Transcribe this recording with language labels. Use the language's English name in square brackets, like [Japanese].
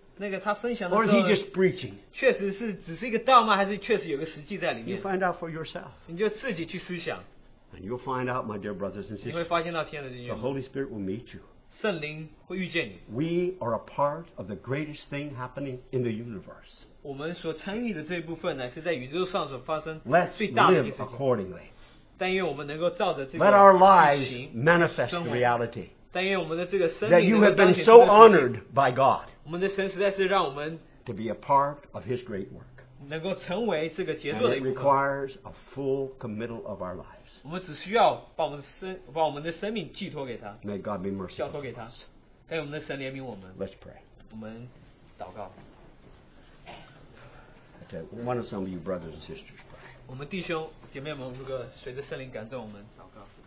[English] Or is he just preaching? You find out for yourself. And you'll find out, my dear brothers and sisters, the Holy Spirit will meet you. [Chinese] 圣灵会遇见你。 [English] We are a part of the greatest thing happening in the universe. [Chinese] 我们所参与的这一部分呢，是在宇宙上所发生最大的一件事情。 [English] Let's live accordingly. [Chinese] 但愿我们能够照着这个 [English] Let our lives manifest reality. [Chinese] 但愿我们的这个生命 [English] That you have been so honored by God. [Chinese] 我们的神实在是让我们 [English] To be a part of His great work. [Chinese] 能够成为这个杰作的一部分。 [English] And it requires a full committal of our lives. [Chinese] 我们只需要把我们的生命寄托给他 [English] May God be merciful [Chinese] 交托给他跟我们的神怜悯我们 [English] Let's pray [Chinese] 我们祷告 [English] Okay, one of some of you brothers and sisters pray [Chinese] 我们弟兄姐妹们如果随着圣灵感动我们祷告